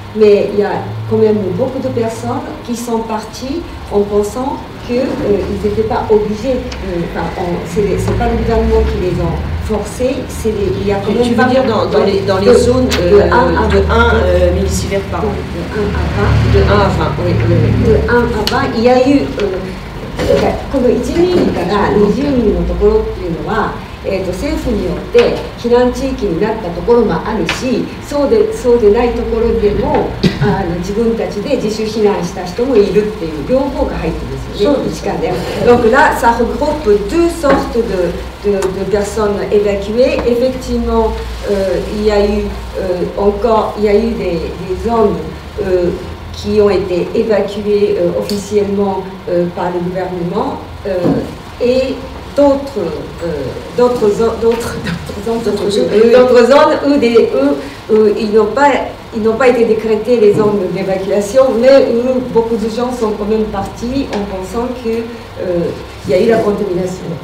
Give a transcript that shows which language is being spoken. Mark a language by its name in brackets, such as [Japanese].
[French] Mais il y a quand même beaucoup de personnes qui sont parties en pensant qu'ils n'étaient pas obligés. C'est pas le gouvernement qui les a... forcé, c'est les, il y a quand même tu veux dire dans les zones de 1 millisievert par an. De 1 à 20, il y a eu [Japanese] この 1ミリから20ミリのところっていうのは 政府によって避難地域になったところもあるし、そうでないところでも自分たちで自主避難した人もいるっていう両方が入ってますよね。 [French] Donc là, ça regroupe deux sortes de personnes évacuées. Effectivement, il y a eu encore, il y a eu des zones qui ont été évacuées officiellement par le gouvernement et d'autres zones où ils n'ont pas été décrétées les zones d'évacuation, mais où beaucoup de gens sont quand même partis en pensant qu'il y a eu la contamination.